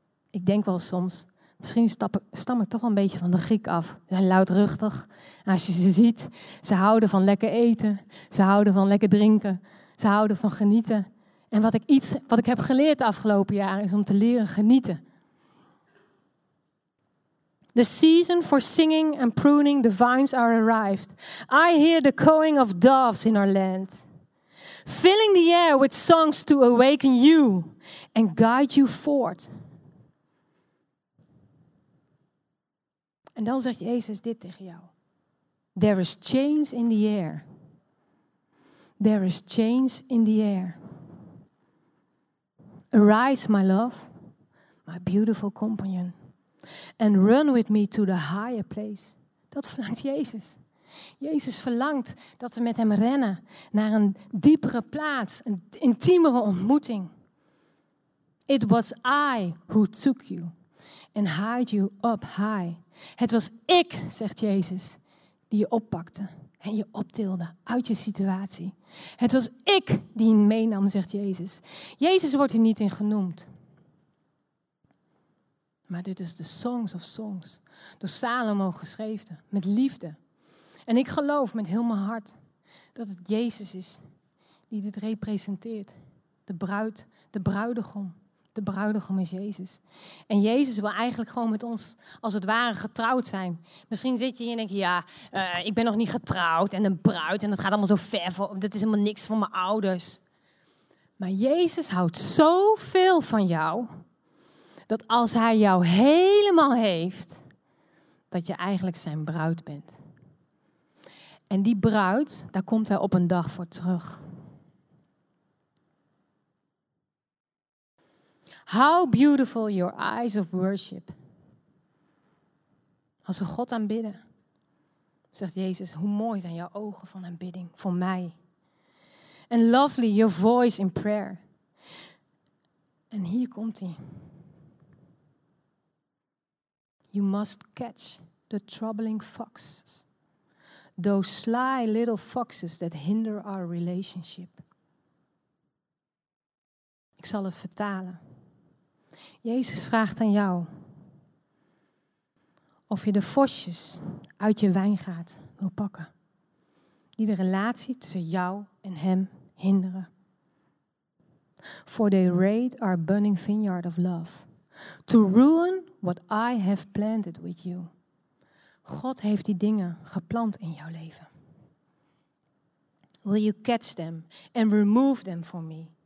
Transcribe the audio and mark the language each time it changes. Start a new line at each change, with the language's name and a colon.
Dutch: Ik denk wel soms, misschien stam ik toch wel een beetje van de Griek af. Ze zijn luidruchtig. En als je ze ziet, ze houden van lekker eten. Ze houden van lekker drinken. Ze houden van genieten. En wat ik heb geleerd de afgelopen jaren is om te leren genieten.
English: The season for singing and pruning the vines are arrived. I hear the cooing of doves in our land. Filling the air with songs to awaken you and guide you forth.
Dutch: En dan zegt Jezus dit tegen jou.
English: There is change in the air. There is change in the air. Arise, my love, my beautiful companion. And run with me to the higher place.
Dutch: Dat verlangt Jezus. Jezus verlangt dat we met hem rennen naar een diepere plaats, een intiemere ontmoeting.
English: It was I who took you and hired you up high.
Dutch: Het was ik, zegt Jezus, die je oppakte en je optilde uit je situatie. Het was ik die hem meenam, zegt Jezus. Jezus wordt hier niet in genoemd. Maar dit is de Songs of Songs, door Salomo geschreven, met liefde. En ik geloof met heel mijn hart dat het Jezus is die dit representeert. De bruid, de bruidegom. De bruidegom is Jezus. En Jezus wil eigenlijk gewoon met ons als het ware getrouwd zijn. Misschien zit je hier en denk je, ja, ik ben nog niet getrouwd en een bruid. En dat gaat allemaal zo ver, dat is helemaal niks voor mijn ouders. Maar Jezus houdt zoveel van jou, dat als hij jou helemaal heeft, dat je eigenlijk zijn bruid bent. En die bruid, daar komt hij op een dag voor terug.
English: How beautiful your eyes of worship.
Dutch: Als we God aanbidden, zegt Jezus, hoe mooi zijn jouw ogen van aanbidding voor mij.
English: And lovely your voice in prayer.
Dutch: En hier komt hij.
English: You must catch the troubling foxes. Those sly little foxes that hinder our relationship.
Dutch: Ik zal het vertalen. Jezus vraagt aan jou of je de vosjes uit je wijngaard wil pakken. Die de relatie tussen jou en hem hinderen.
English: For they raid our burning vineyard of love. To ruin what I have planted with you.
Dutch: God heeft die dingen geplant in jouw leven.
English: Will you catch them and remove them for me?